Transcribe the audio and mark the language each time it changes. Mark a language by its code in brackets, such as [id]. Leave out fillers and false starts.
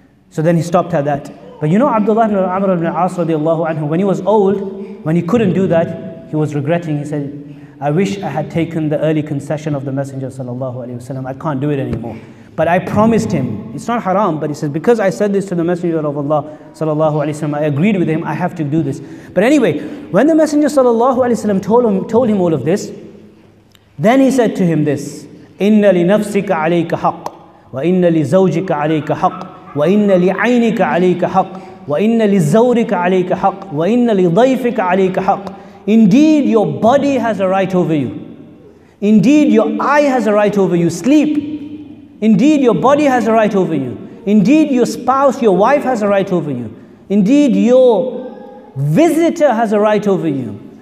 [en] So then he stopped at that. But you know, Abdullah ibn Amr ibn As radiallahu anhu, when he was old, when he couldn't do that, he was regretting. He said, I wish I had taken the early concession of the Messenger sallallahu alayhi wasallam. I can't do it anymore. But I promised him. It's not haram, but he says, because I said this to the Messenger of Allah sallallahu alayhi wasallam, I agreed with him, I have to do this. But anyway, when the Messenger sallallahu alayhi wasallam told him all of this, then he said to him this, [ar] إِنَّ لِنَفْسِكَ عَلَيْكَ حَقٌّ وَإِنَّ لِزَوْجِكَ عَلَيْكَ حَقٌّ وَإِنَّ لِعَيْنِكَ عَلَيْكَ حَقٌّ وَإِنَّ لِزَوْرِكَ عَلَيْكَ حَقٌّ وَإِنَّ لِضَيْفِكَ عَلَيْكَ حَقٌّ. [en] Indeed, your body has a right over you. Indeed, your eye has a right over you. Sleep. Indeed, your body has a right over you. Indeed, your spouse, your wife has a right over you. Indeed, your visitor has a right over you.